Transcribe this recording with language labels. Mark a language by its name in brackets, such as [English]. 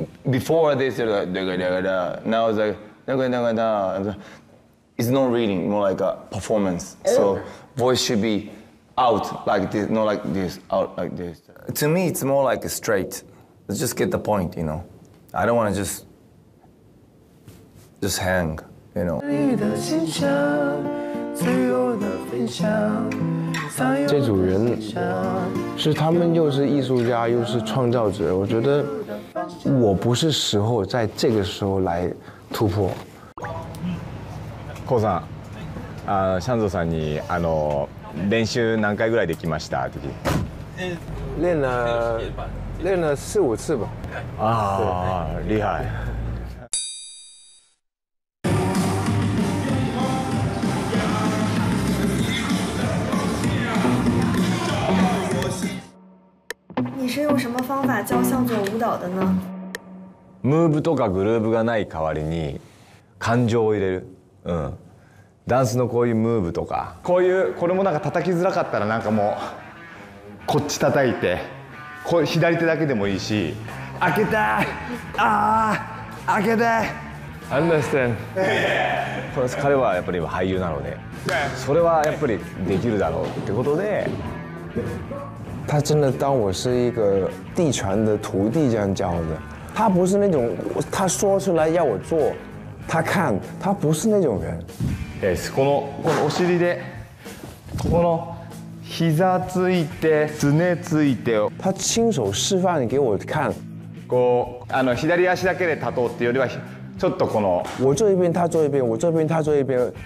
[English] Before this, now it's like, it's not reading, more like a performance. So voice should be out like this, not like this, out like this. To me, it's more like a straight. Let's just get the point, you know. I don't want to just hang, you know. [Chinese] 这组人是他们又是艺术家又是创造者，我觉得我不是时候在这个时候来突破。 [Japanese] コウさん、あ、シャンゾさんに練習何回ぐらいできましたって聞い [Chinese] て。練了四五次吧。啊，厉害。你是用什么方法教向佐舞蹈的呢？ [Japanese] ムーブとかグルーブがない代わりに感情を入れる。嗯，ダンスのこういうムーブとか、こういうこれもなんか叩きづらかったらなんかもうこっち叩いて、左手だけでもいいし、開けて、ああ、開けて。 [English] Understand。 [Japanese] 彼はやっぱり今俳優なので、それはやっぱりできるだろうってことで。 [Chinese] 他真的当我是一个地传的徒弟这样教的，他不是那种他说出来要我做，他看他不是那种人。 [Japanese] です。このお尻で、この膝ついて、すねついて。 [Chinese] 他亲手示范给我看。 [Japanese] こう左足だけで立とうっていうよりは、ちょっとこの。 [Chinese] 我做一遍，他做一遍，我这边他做一遍。